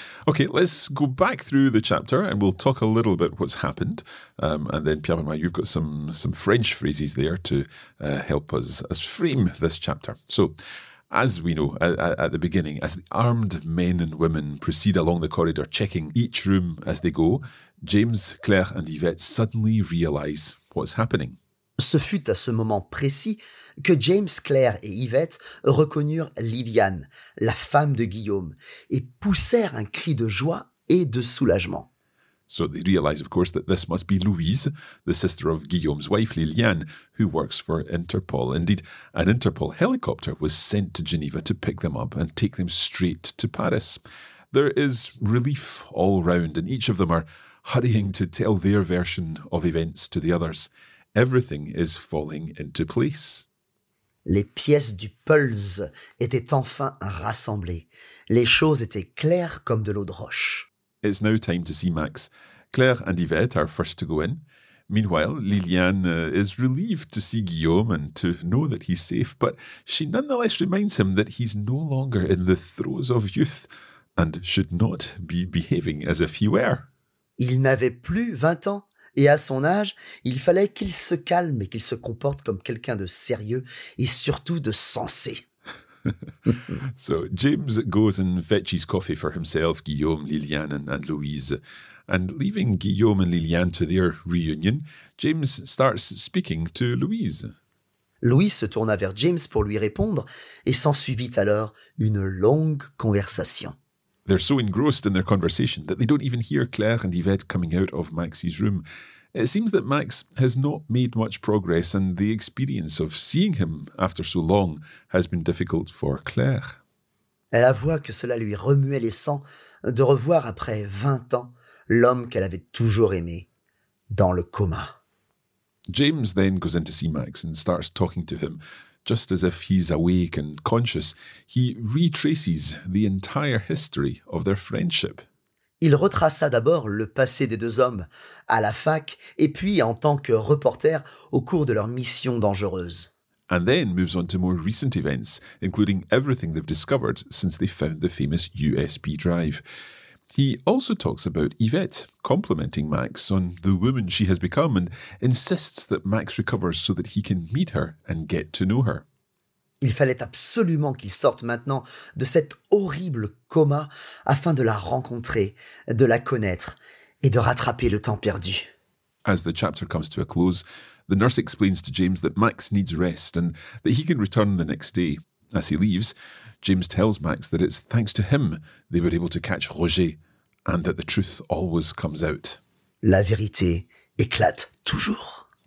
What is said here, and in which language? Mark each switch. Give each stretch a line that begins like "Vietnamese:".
English: Okay, let's go back through the chapter and we'll talk a little bit what's happened, and then Pierre and I, you've got some French phrases there to help us frame this chapter. So, as we know, at the beginning, as the armed men and women proceed along the corridor, checking each room as they go, James, Claire and Yvette suddenly realise what's happening.
French: Ce fut à ce moment précis que James, Claire et Yvette reconnurent Liliane, la femme de Guillaume, et poussèrent un cri de joie et de soulagement.
English: So they realise, of course, that this must be Louise, the sister of Guillaume's wife, Liliane, who works for Interpol. Indeed, an Interpol helicopter was sent to Geneva to pick them up and take them straight to Paris. There is relief all round, and each of them are hurrying to tell their version of events to the others. Everything is falling into place.
French: Les pièces du puzzle étaient enfin rassemblées. Les choses étaient claires comme de l'eau de roche.
English: It's now time to see Max. Claire and Yvette are first to go in. Meanwhile, Liliane is relieved to see Guillaume and to know that he's safe, but she nonetheless reminds him that he's no longer in the throes of youth and should not be behaving as if he were.
French: Il n'avait plus 20 ans, et à son âge, il fallait qu'il se calme et qu'il se comporte comme quelqu'un de sérieux et surtout de sensé.
English: So James goes and fetches coffee for himself, Guillaume, Liliane and Louise. And leaving Guillaume and Liliane to their reunion, James starts speaking to Louise.
French: Louis se tourna vers James pour lui répondre et s'ensuivit alors une longue conversation.
English: They're so engrossed in their conversation that they don't even hear Claire and Yvette coming out of Max's room. It seems that Max has not made much progress and the experience of seeing him after so long has been difficult for Claire.
French: Elle avoua que cela lui remuait les sangs de revoir après 20 ans l'homme qu'elle avait toujours aimé dans le coma.
English: James then goes in to see Max and starts talking to him. Just as if he's awake and conscious, he retraces the entire history of their friendship.
French: Il retraça d'abord le passé des deux hommes à la fac et puis en tant que reporter au cours de leur mission dangereuse.
English: And then moves on to more recent events, including everything they've discovered since they found the famous USB drive. He also talks about Yvette, complimenting Max on the woman she has become and insists that Max recovers so that he can meet her and get to know her.
French: Il fallait absolument qu'il sorte maintenant de cet horrible coma afin de la rencontrer, de la connaître et de rattraper le temps perdu.
English: As the chapter comes to a close, the nurse explains to James that Max needs rest and that he can return the next day. As he leaves, James tells Max that it's thanks to him they were able to catch Roger and that the truth always comes out.
French: La vérité éclate toujours.